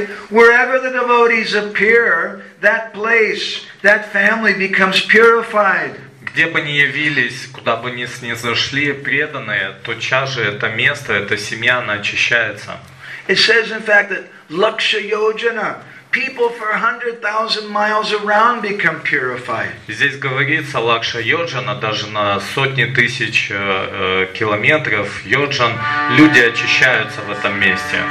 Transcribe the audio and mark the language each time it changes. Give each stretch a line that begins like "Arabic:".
English: Wherever the devotees appear, that place, that family becomes purified.
Russian: Где бы ни явились, куда бы ни снизошли преданные, тотчас же это место, эта семья, она очищается.
English: It says, in fact, that Laksha Yojana, people for 100,000 miles around become purified.
Russian: Здесь говорится Лакша Йоджана, даже на сотни тысяч километров Йоджан, люди очищаются в этом месте.